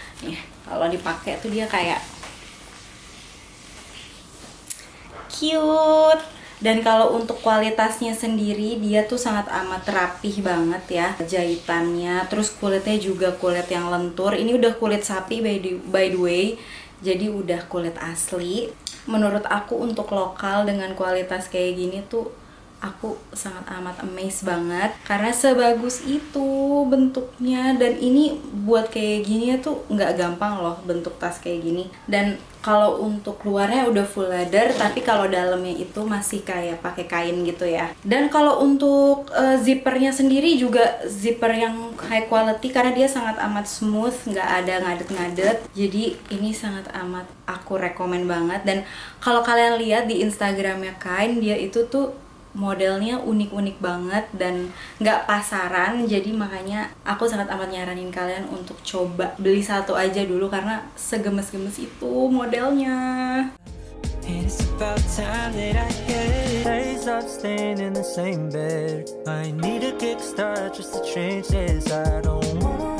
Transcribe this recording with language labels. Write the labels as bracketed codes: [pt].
[id] Nih, kalau dipakai tuh dia kayak cute. Dan kalau untuk kualitasnya sendiri, dia tuh sangat amat rapih banget ya jahitannya. Terus kulitnya juga kulit yang lentur. Ini udah kulit sapi [en] by the way. [id] Jadi udah kulit asli. Menurut aku untuk lokal dengan kualitas kayak gini tuh aku sangat amat amazed banget. Karena sebagus itu bentuknya. Dan ini buat kayak gini tuh gak gampang loh bentuk tas kayak gini. Dan kalau untuk luarnya udah full leather, tapi kalau dalamnya itu masih kayak pakai kain gitu ya. Dan kalau untuk zippernya sendiri juga zipper yang high quality, karena dia sangat amat smooth, nggak ada ngadet-ngadet. Jadi ini sangat amat aku rekomen banget. Dan kalau kalian lihat di Instagramnya Kain, dia itu tuh modelnya unik-unik banget dan nggak pasaran. Jadi makanya aku sangat amat nyaranin kalian untuk coba beli satu aja dulu, karena segemes-gemes itu modelnya. [en] It's about time that I get it. I stop staying in the same bed. I need a kickstart just to change this. I don't want.